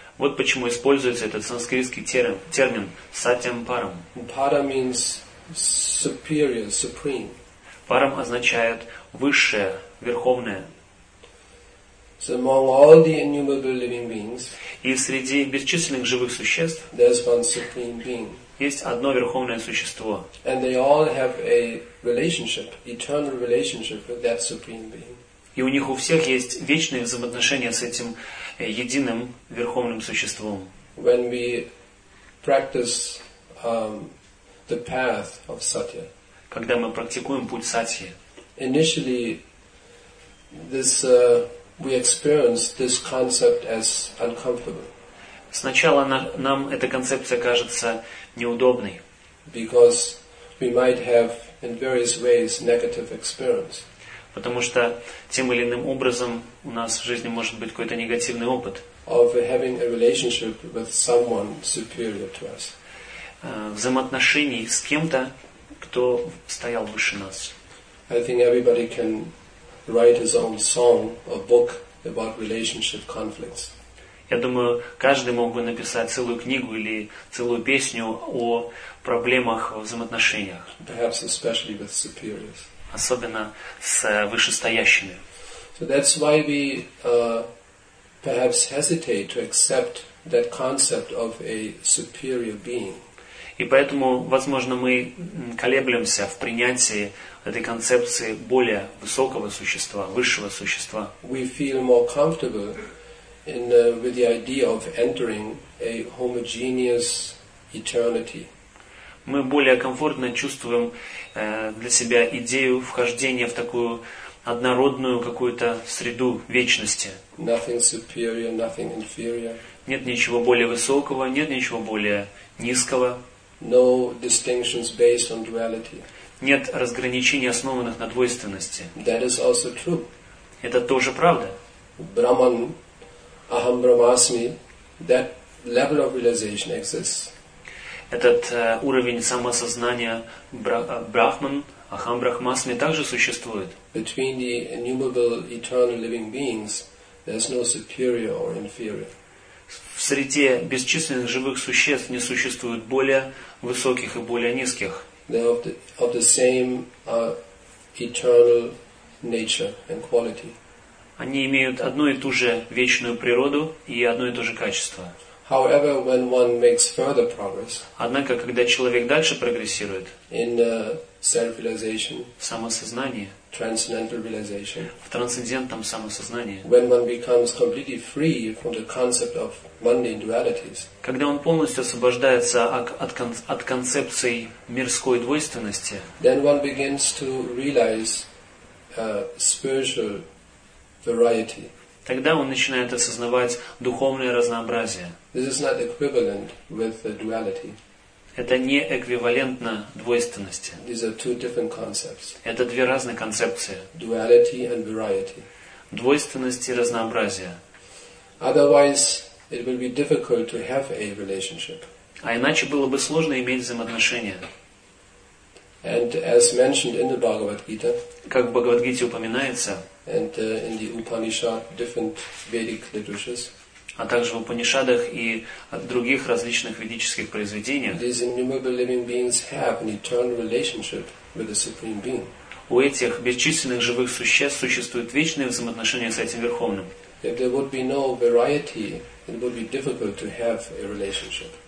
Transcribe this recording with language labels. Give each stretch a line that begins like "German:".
Russian: Вот почему используется этот санскритский термин satyam param.
English: Param means superior, supreme.
Russian: Param означает высшее, верховное.
English: So among all the innumerable living beings,
Russian: и среди бесчисленных живых существ,
English: there is one supreme being.
Russian: Есть одно верховное существо.
English: And they all have a relationship, eternal relationship with that supreme being.
Russian: И у них у всех есть вечные взаимоотношения с этим единым верховным существом.
English: When we practice the path of satya,
Russian: когда мы практикуем путь сатьи,
English: initially this we experience this concept as uncomfortable.
Russian: Сначала нам эта концепция кажется неудобной.
English: Because we might have in various ways negative experience.
Russian: Потому что тем или иным образом у нас в жизни может быть какой-то негативный опыт.
English: Of having a relationship with someone superior to us.
Russian: Взаимоотношений с кем-то, кто стоял выше нас.
English: I think everybody can write his own song or book about relationship conflicts.
Russian: Я думаю, каждый мог бы написать целую книгу или целую песню о проблемах в взаимоотношениях.
English: Perhaps especially with superiors.
Russian: Особенно с вышестоящими.
English: So that's why we perhaps hesitate to accept that concept of a superior being.
Russian: И поэтому, возможно, мы колеблемся в принятии этой концепции более высокого существа, высшего существа.
English: We feel more comfortable with the idea of entering a homogeneous eternity.
Russian: Мы более комфортно чувствуем для себя идею вхождения в такую однородную какую-то среду вечности.
English: Nothing superior, nothing inferior.
Russian: Нет ничего более высокого, нет ничего более низкого.
English: No distinctions based on duality.
Russian: Нет разграничений, основанных на двойственности.
English: That is also true.
Russian: Это тоже правда.
English: Brahman, aham brahmasmi, that level of realization exists.
Russian: Этот уровень самосознания Брахман, Ахам Брахмасми, также существует.
English: Between the innumerable eternal living beings, there's no superior or inferior.
Russian: В среде бесчисленных живых существ не существует более высоких и более низких.
English: They're of the same eternal nature and quality.
Russian: Они имеют одну и ту же вечную природу и одно и то же качество.
English: However, when one makes further progress,
Russian: однако, когда человек дальше прогрессирует
English: in self-realization,
Russian: в самосознании,
English: transcendental realization,
Russian: в трансцендентном самосознании,
English: when one becomes completely free from the concept of mundane dualities,
Russian: когда он полностью освобождается от концепции мирской двойственности,
English: then one begins to realize spiritual variety.
Russian: Тогда он начинает осознавать духовное разнообразие.
English: This is not equivalent with the duality.
Russian: Это не эквивалентно двойственности.
English: These are two different concepts.
Russian: Это две разные концепции.
English: Duality and variety.
Russian: Двойственность и разнообразие.
English: Otherwise, it will be difficult to have a relationship.
Russian: А иначе было бы сложно иметь взаимоотношения.
English: And as mentioned in the Bhagavad Gita,
Russian: как в Бхагавад-гите упоминается,
English: and in the Upanishad, different Vedic literatures,
Russian: а также в Упанишадах и других различных ведических произведениях.
English: These innumerable living beings have an eternal relationship with the Supreme Being.
Russian: У этих бесчисленных живых существ существует вечное взаимоотношение с этим Верховным.
English: If there would be no variety, it would be difficult to have a relationship.